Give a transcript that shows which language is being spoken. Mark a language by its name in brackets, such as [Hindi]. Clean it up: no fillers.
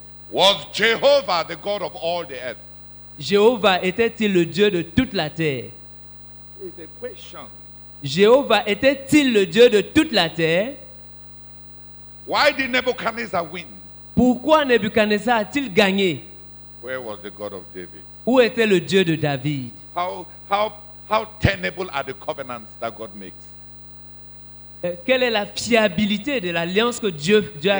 [English] Was Jehovah the God of all the earth? [French] Jéhovah était-il le Dieu de toute la terre? [English] Is a question. [French] Jéhovah était-il le Dieu de toute la terre? [English] Why did Nebuchadnezzar win? [French] Pourquoi Nebuchadnezzar a-t-il gagné? [English] Where was the God of David? [French] Où était le Dieu de David? [English] How tenable are the covenants that God makes? [French] Quelle est la fiabilité de l'alliance que Dieu a